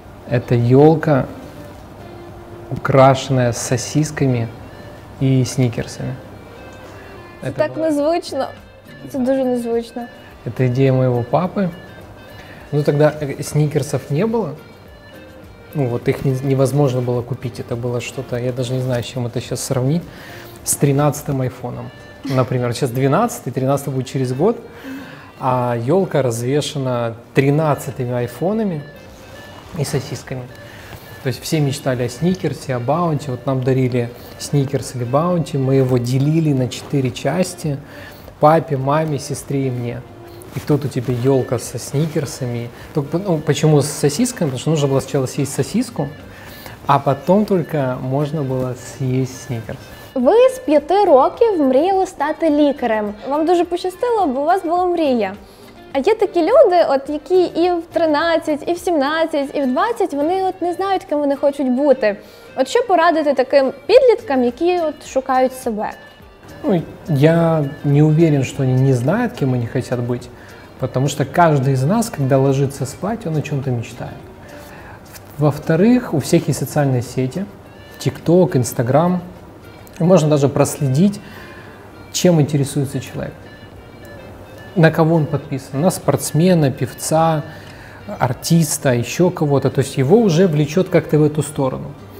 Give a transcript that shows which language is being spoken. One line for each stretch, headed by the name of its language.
Ukrainian: Це ёлка, украшена сосисками і снікерсами. Це так незвично. Це дуже незвично. Це ідея моєго папи. Ну, тоді снікерсів не було.
Russian: Ну, вот их невозможно было купить, это было что-то, я даже не знаю, с чем это сейчас сравнить, с 13-м айфоном. Например, сейчас 12-й, 13-й будет через год, а елка развешена 13-ми айфонами и сосисками. То есть все мечтали о сникерсе, о баунти, вот нам дарили сникерс или баунти, мы его делили на 4 части, папе, маме, сестре и мне. И тут у тебя елка со сникерсами. Только, ну, почему с сосисками? Потому что нужно было сначала съесть сосиску, а потом только можно было съесть сникерс.
Ukrainian: Ви з 5 років мріяли стати лікарем. Вам дуже пощастило, бо у вас була мрія. А є такі люди, от, які і в 13, і в 17, і в 20, вони от не знають, ким вони хочуть бути. От що порадити таким підліткам, які от шукають себе?
Russian: Ну, я не уверен, что они не знают, кем они хотят быть, потому что каждый из нас, когда ложится спать, он о чем-то мечтает. Во-вторых, у всех есть социальные сети, TikTok, Instagram, и можно даже проследить, чем интересуется человек, на кого он подписан, на спортсмена, певца, артиста, еще кого-то, то есть его уже влечет как-то в эту сторону.